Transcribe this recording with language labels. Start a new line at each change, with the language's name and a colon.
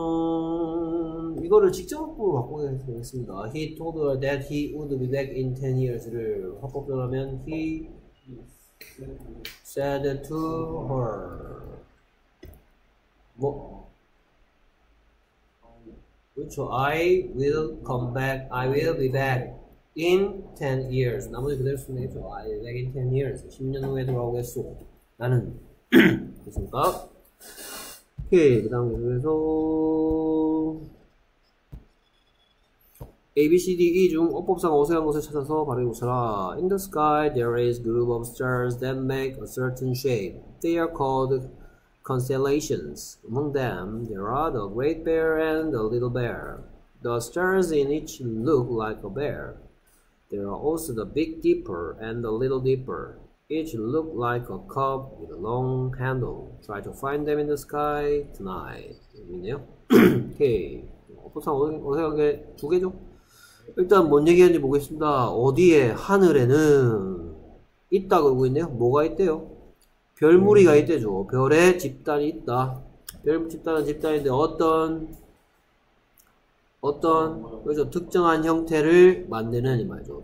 Korean: 그러면 이거를 직접으로 바꾸겠습니다.
English: He told her that he would be back in 10 years
Korean: 를 합법적으로 하면
English: he said to her.
Korean: 뭐?
English: 그렇죠. I will come back. I will be back in 10 years.
Korean: 나머지 그대로 쓰면 되겠죠.
English: I'll be back in 10 years.
Korean: 10년 후에 돌아오겠소. 나는. 됐습니까? 오케이. 그 다음 그래서 A, B, C, D, E 중 어법상 어색한 곳을 찾아서 발음해 보셔라.
English: In the sky, there is a group of stars that make a certain shape. They are called constellations. Among them, there are the Great Bear and the Little Bear. The stars in each look like a bear. There are also the Big Dipper and the Little Dipper. Each look like a cup with a long handle. Try to find them in the sky tonight.
Korean: 여기 있네요. 오케이. 어법상 어색하게 두 개죠? 일단 뭔 얘기하는지 보겠습니다. 어디에 하늘에는 있다 그러고 있네요. 뭐가 있대요? 별무리가 있대죠. 별에 집단이 있다. 별 집단은 집단인데 어떤 그래서 특정한 형태를 만드는 이 말이죠.